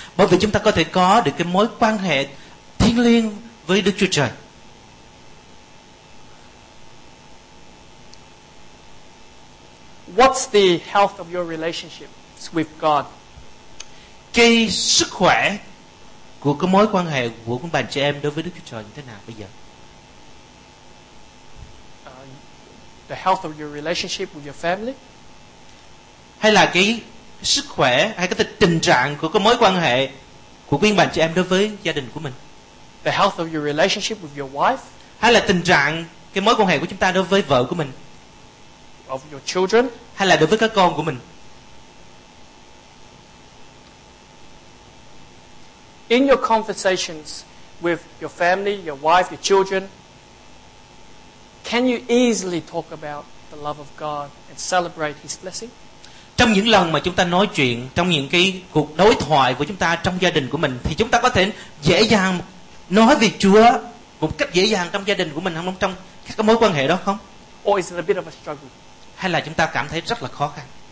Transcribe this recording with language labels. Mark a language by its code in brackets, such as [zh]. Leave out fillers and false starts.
[vi] Bởi vì chúng ta có thể có được cái mối quan hệ thiêng liêng với Đức Chúa Trời. [en] What's the health of your relationship with God? [vi] Cái sức khỏe của cái mối quan hệ của bạn chị em đối với Đức Chúa Trời như thế nào bây giờ? [en] The health of your relationship with your family? [vi] Hay là cái sức khỏe hay cái tình trạng của cái mối quan hệ của quý bạn chị em đối với gia đình của mình? [en] The health of your relationship with your wife? [vi] Hay là tình trạng cái mối quan hệ của chúng ta đối với vợ của mình? [en] Of your children? [vi] Hay là đối với các con của mình? [en] In your conversations with your family, your wife, your children, can you easily talk about the love of God and celebrate his blessing? [vi] Trong những lần mà chúng ta nói chuyện, trong những cái cuộc đối thoại của chúng ta trong gia đình của mình, thì chúng ta có thể dễ dàng nói về Chúa một cách dễ dàng trong gia đình của mình không, trong các mối quan hệ đó không? [en] Or is it a bit of a struggle? [vi] Hay là chúng ta cảm thấy rất là khó khăn?